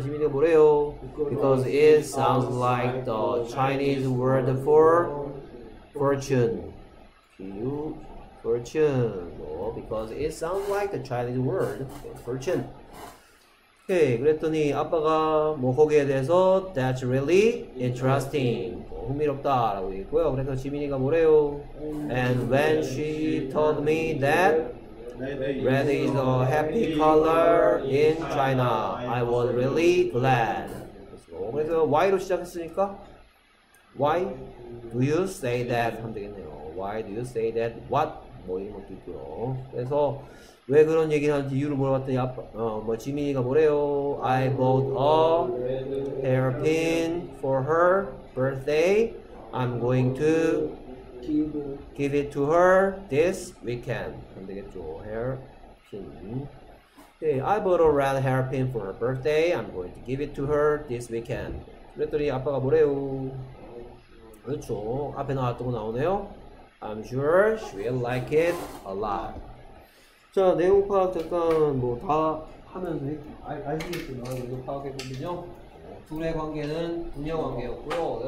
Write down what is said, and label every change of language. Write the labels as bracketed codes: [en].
[ko] 지민이가 뭐래요? [en] Because it sounds like the Chinese word for fortune. 비유, fortune. Because it sounds like the Chinese word for fortune. 오케이. [ko] 그랬더니 아빠가 뭐 거기에 대해서 [en] That's really interesting. [ko] 뭐 흥미롭다 라고 얘기했고요. 그래서 지민이가 뭐래요? [en] And when she told me that red is a happy color in China, I was really glad. [ko] 그래서 why로 시작했으니까 [en] Why do you say that? [ko] 하면 되겠네요. [en] Why do you say that? What? [ko] 뭐 이런 것도 있고요. 그래서 왜 그런 얘기를 하는지 이유를 물어봤더니 아빠, 뭐 지민이가 뭐래요? [en] I bought a hairpin for her birthday. I'm going to give it to her this weekend. [ko] 안 되겠죠? [en] Hairpin. Okay, I bought a red hairpin for her birthday. I'm going to give it to her this weekend. [ko] 그랬더니 아빠가 뭐래요? 그렇죠. 앞에 나왔던 거 나오네요. [en] I'm sure she'll like it a lot. [ko] 자, 내용 파악 잠깐 뭐 다 하면서 아시겠지만 이거 파악해보시죠. 둘의 관계는 부녀 관계였고요.